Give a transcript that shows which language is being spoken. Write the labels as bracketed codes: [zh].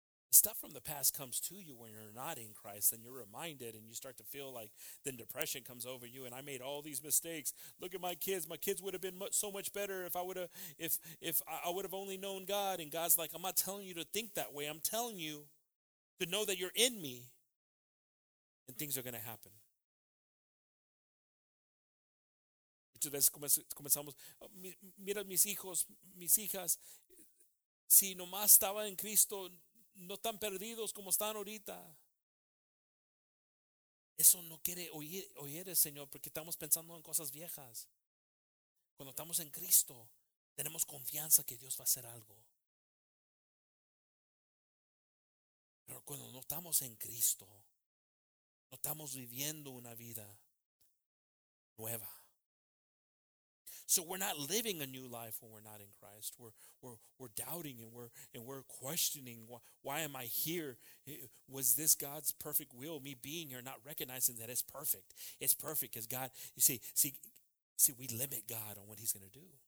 [en] The stuff from the past comes to you when you're not in Christ, and you're reminded and you start to feel like then depression comes over you and I made all these mistakes. Look at my kids. My kids would have been so much better if I would have only known God. And God's like, I'm not telling you to think that way. I'm telling you to know that you're in me and things are going to happen. [es] Muchas veces comenzamos, mira mis hijos, mis hijas, si nomás estaba en Cristo, no tan perdidos como están ahorita. Eso no quiere oír el Señor, porque estamos pensando en cosas viejas. Cuando estamos en Cristo, tenemos confianza que Dios va a hacer algo. Pero cuando no estamos en Cristo, no estamos viviendo una vida nueva. [en] So we're not living a new life when we're not in Christ. We're doubting and we're questioning, why am I here? Was this God's perfect will, me being here, not recognizing that it's perfect? It's perfect because God, you see, we limit God on what he's going to do.